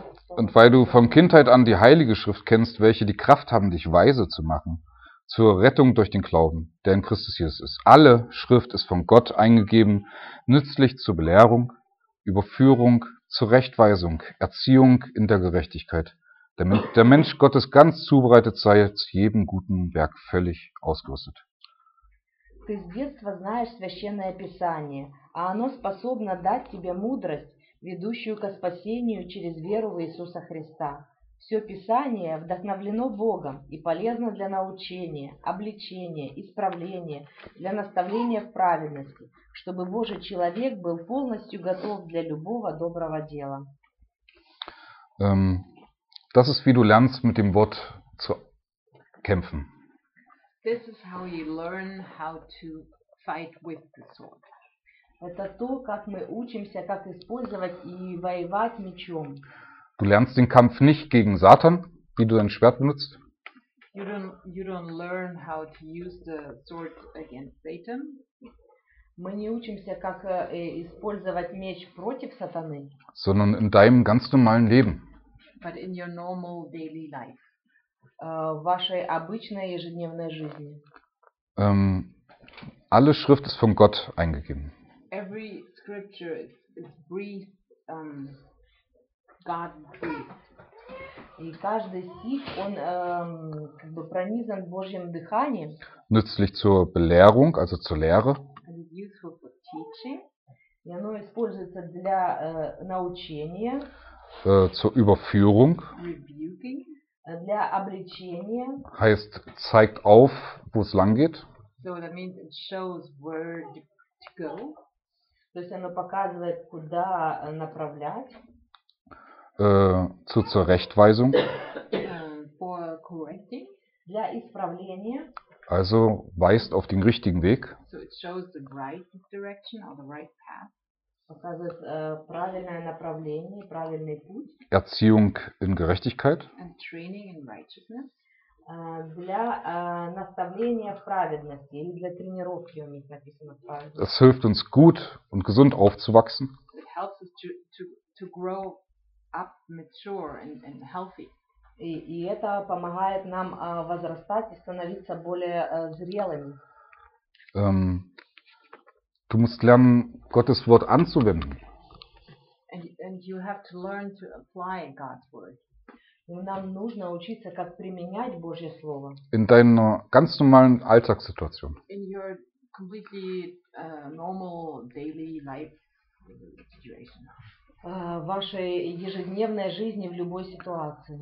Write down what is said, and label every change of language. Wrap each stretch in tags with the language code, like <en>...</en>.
<de>Und weil du von Kindheit an die Heilige Schrift kennst, welche die Kraft haben, dich weise zu machen, zur Rettung durch den Glauben, der in Christus Jesus ist. Alle Schrift ist von Gott eingegeben, nützlich zur Belehrung, Überführung, zur Rechtweisung, Erziehung in der Gerechtigkeit, damit der Mensch Gottes ganz zubereitet sei, zu jedem guten Werk völlig ausgerüstet.</de> <ru>Ты с детства знаешь Священное Писание, а оно способно дать тебе мудрость, ведущую ко спасению через веру в Иисуса Христа. Все Писание вдохновлено Богом и полезно для научения, обличения, исправления, для наставления в праведности, чтобы Божий человек был полностью готов для любого доброго дела.</ru> <de>Das ist, wie du lernst, mit dem Wort zu kämpfen.</de> <en>This is how you learn how to fight with the sword.</en> <ru>Это то, как мы учимся, как использовать и воевать мечом.</ru> <de>Du lernst den Kampf nicht gegen Satan, wie du dein Schwert benutzt.</de> <en>You don't learn how to use the sword against Satan.</en> <ru>Мы не учимся, как использовать меч против сатаны.</ru> <de>Sondern in deinem ganz normalen Leben.</de> <en>But in your normal daily life.</en> <ru>Вашей обычной ежедневной жизни.</ru> <de>Alle Schrift ist von Gott eingegeben.</de> <en>Every scripture is breathed, God breathed.</en> <ru>И каждый стих, он как бы пронизан Божьим дыханием.</ru> <de>Nützlich zur Belehrung, also zur Lehre.</de> <en>And it's useful for teaching.</en> <ru>И оно используется для научения.</ru> <de>Zur Überführung.</de> <en>Rebuking.</en> <ru>Для обличения.</ru> <de>Heißt, zeigt auf, wo es lang geht.</de> <en>So that means it shows where to go.</en> <ru>То есть оно показывает, куда направлять.</ru> <de>Zur Rechtweisung.</de> <en>For correcting.</en> <ru>Для исправления.</ru> <de>Also weist auf den richtigen Weg.</de> <en>So it shows the right direction or the right path.</en> <ru>Показывает правильное направление, правильный путь.</ru> <de>Erziehung in Gerechtigkeit.</de> <en>And training in righteousness.</en> <ru>Для наставления в праведности или для тренировки у них написано в праведности.</ru> <de>Es hilft uns gut und gesund aufzuwachsen.</de> <en>It helps us to grow up mature and healthy.</en> <ru>И это помогает нам возрастать и становиться более зрелыми.</ru> <de>Du musst lernen, Gottes Wort anzuwenden.</de> <en>And you have to learn to apply God's word.</en> <de>Und</de> <ru>нам нужно учиться, как применять Божье слово.</ru> <de>In deiner ganz normalen Alltagssituation.</de> <en>In your completely normal daily life situation.</en> <ru>Вашей ежедневной жизни в любой ситуации.</ru>